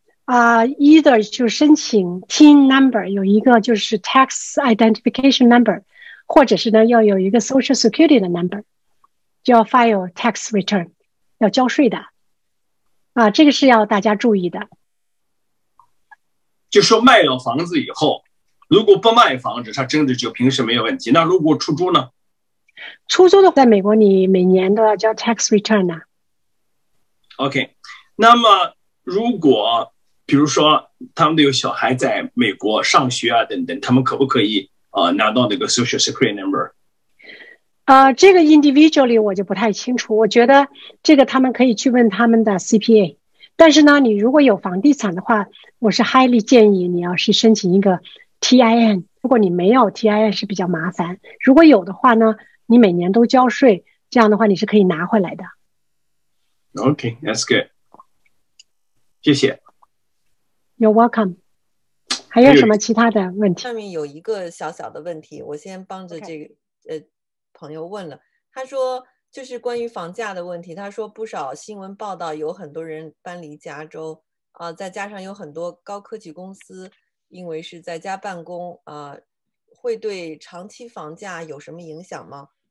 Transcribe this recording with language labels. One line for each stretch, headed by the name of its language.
Chinese: either 就申请 TIN number，有一个就是
English: tax identification number，
Chinese: 或者是呢要有一个
English: social security
Chinese: 的 number，就要
English: file tax return，
Chinese: 要交税的。这个是要大家注意的。就说卖了房子以后，如果不卖房子，他真的就平时没有问题。那如果出租呢？出租的话，在美国你每年都要交 tax return 呢。 OK，那么如果比如说他们都有小孩在美国上学啊等等，他们可不可以拿到那个 Social Security Number？这个 individually 我就不太清楚。我觉得这个他们可以去问他们的 CPA。但是呢，你如果有房地产的话，我是 highly 建议你要去申请一个 TIN。如果你没有 TIN 是比较麻烦。如果有的话呢，你每年都交税，这样的话你是可以拿回来的。
English: OK，that's good，
Chinese: 谢谢。
English: You're welcome。
Chinese: 还有有什么其他的问题上面有一个小小的问题，我先帮着
English: ？OK。
Chinese: 这个朋友问了，他说就是关于房价的问题，他说不少新闻报道有很多人搬离加州，再加上有很多高科技公司因为是在家办公，会对长期房价有什么影响吗？